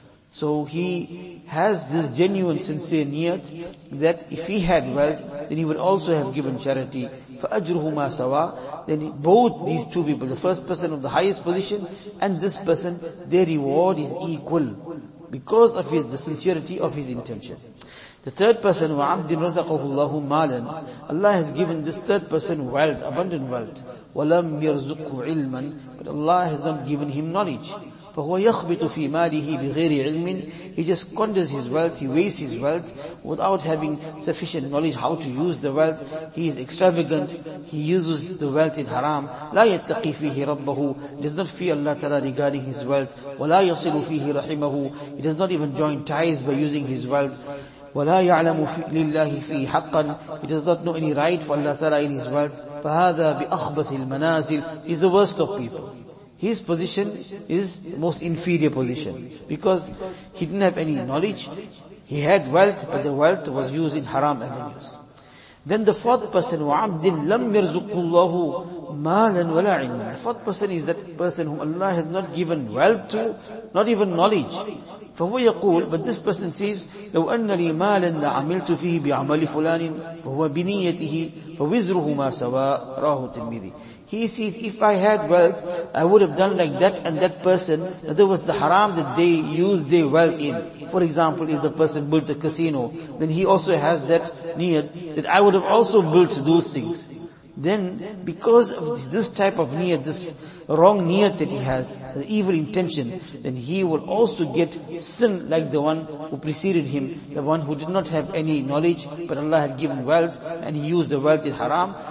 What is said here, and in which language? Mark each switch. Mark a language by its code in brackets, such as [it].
[en] So he has this genuine, sincere niyat that if he had wealth, then he would also have given charity. [ar] فَأَجْرُهُمَا سَوَى. [en] Then both these two people, the first person of the highest position and this person, their reward is equal because of his, the sincerity of his intention. The third person, [ar] وَعَبْدٍ رَزَقَهُ اللَّهُ مَالًا. [en] Allah has given this third person wealth, abundant wealth. [ar] وَلَمْ يَرْزُقْهُ عِلْمًا. [en] But Allah has not given him knowledge. [ar] فَهُوَ يَخْبِتُ فِي مَالِهِ بِغَيْرِ عِلْمٍ. [en] He just squanders his wealth, he wastes his wealth without having sufficient knowledge how to use the wealth. He is extravagant, he uses the wealth in haram. [ar] لَا يَتَّقِي فِيهِ رَبَّهُ. [en] He does not fear Allah Ta'ala regarding his wealth. [ar] وَلَا يَصِلُ فِيهِ رَحِمَهُ. [en] He does not even join ties by using his wealth. [ar] وَلَا يَعْلَمُ لِلَّهِ فِي حَقًّا. [en] He does not know any right for Allah Ta'ala in his wealth. [ar] فَهَذَا بِأَخْبَثِ الْمَنَازِلِ. [en] He is the worst of people. His position is the most inferior position because he didn't have any knowledge. He had wealth, but the wealth was used in haram avenues. Then the fourth person, [ar] وَعَبْدٍ لَمْ يَرْزُقُ اللَّهُ مَالًا وَلَا عِلْمًا. [en] The fourth person is that person whom Allah has not given wealth to, not even knowledge. [ar] فهو يقول, [en] but this person says, [ar] لو أن لي مالا لعملت فيه بعمل فلان فهو بنيته فوزره ما سوى راه تلميذي. [en] He says, if I had wealth, I would have done like that and that person. In other words, the haram that they use their wealth in. For example, if the person built a casino, then he also has that niyat that I would have also built those things. Then, because of this type of niyat, this wrong niyat that he has, the evil intention, then he will also get sin like the one who preceded him, the one who did not have any knowledge, but Allah had given wealth, and he used the wealth in haram.